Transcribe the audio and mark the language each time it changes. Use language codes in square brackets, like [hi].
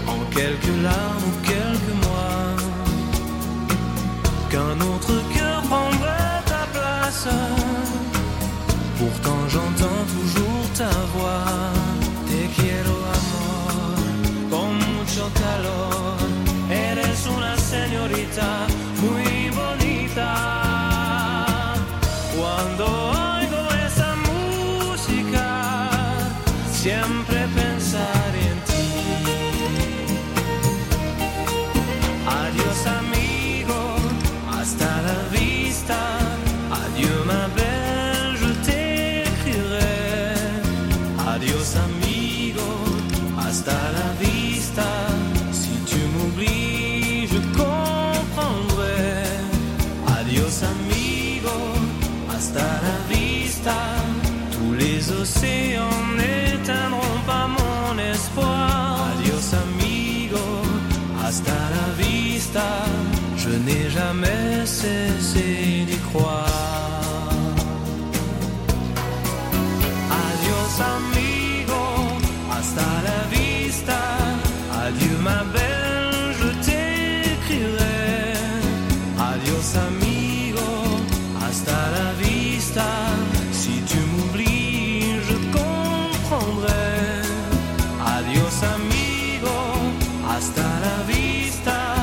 [fr] quelques larmes ou quelques mois, qu'un autre cœur prendrait ta place. Pourtant j'entends toujours ta voix. [es] Te quiero amor, con mucho calor. Eres una señorita muy bonita. Cuando oigo esa música, siempre pensaré en ti. Adiós amigo, hasta la vista. [fr] Adiós ma belle, je t'écrirai. [es] Adiós amigo, hasta la vista. [fr] Si tu m'oublies, je comprendrai. [es] Adiós amigo, hasta la vista. [fr] Tous les océans n'éteindront pas mon espoir. [es] Adiós amigo, hasta la vista. [fr] Je n'ai jamais cessé d'y croire. [es] Adiós amigo, hasta la vista. [fr] Adieu ma belle, je t'écrirai. [es] Adiós amigo. [fr] Si tu m'oublies, je comprendrai. [es] Adios amigo, hasta la vista.